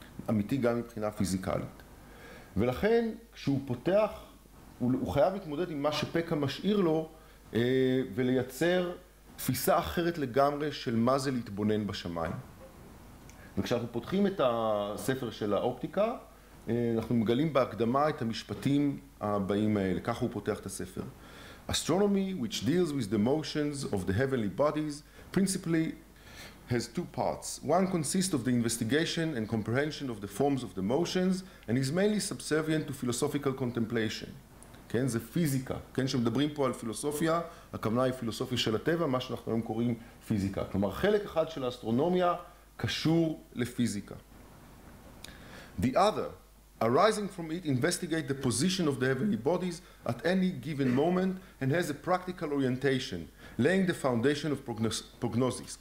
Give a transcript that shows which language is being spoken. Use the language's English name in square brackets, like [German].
[Hebrew] אמיתי גם מבחינה פיזיקלית. ולכן כשהוא פותח, הוא חייב להתמודד עם מה שפקה משאיר לו ולייצר תפיסה אחרת לגמרי של מה זה להתבונן בשמיים. וכשאנחנו פותחים את הספר של האופטיקה, אנחנו מגלים בהקדמה את המשפטים הבאים האלה. ככה הוא פותח את הספר. [English] Astronomy, which deals with the motions of the heavenly bodies, principally has two parts. One consists of the investigation and comprehension of the forms of the motions, and is mainly subservient to philosophical contemplation. [Hebrew] כן, זה פיזיקה. כן, שמדברים פה על פילוסופיה, הכוונה היא פילוסופיה של הטבע, מה שאנחנו היום קוראים פיזיקה. כלומר, חלק אחד של האסטרונומיה קשור לפיזיקה. [English] The other, arising from it, investigate the position of the heavenly bodies at any given moment and has a practical orientation, laying the foundation of prognosis.